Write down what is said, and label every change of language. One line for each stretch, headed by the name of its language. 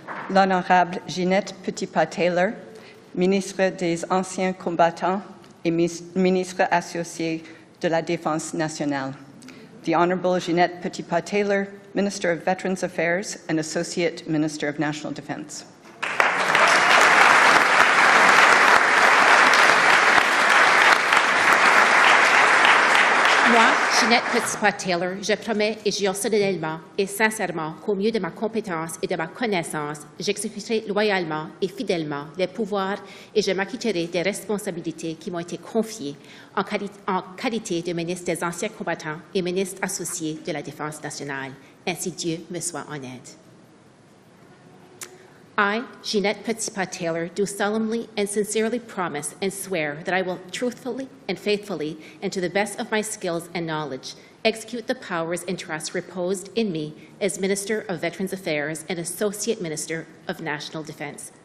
French: L'honorable Ginette Petitpas-Taylor, ministre des Anciens Combattants et ministre associée de la Défense nationale.
English: The Honorable Ginette Petitpas-Taylor, Minister of Veterans Affairs and Associate Minister of National Defense.
French: Moi, Ginette Petitpas-Taylor, je promets et jure solennellement et sincèrement qu'au mieux de ma compétence et de ma connaissance, j'exécuterai loyalement et fidèlement les pouvoirs et je m'acquitterai des responsabilités qui m'ont été confiées en qualité de ministre des Anciens Combattants et ministre associé de la Défense nationale. Ainsi Dieu me soit en aide.
English: I, Ginette Petitpas-Taylor, do solemnly and sincerely promise and swear that I will truthfully and faithfully, and to the best of my skills and knowledge, execute the powers and trusts reposed in me as Minister of Veterans Affairs and Associate Minister of National Defense.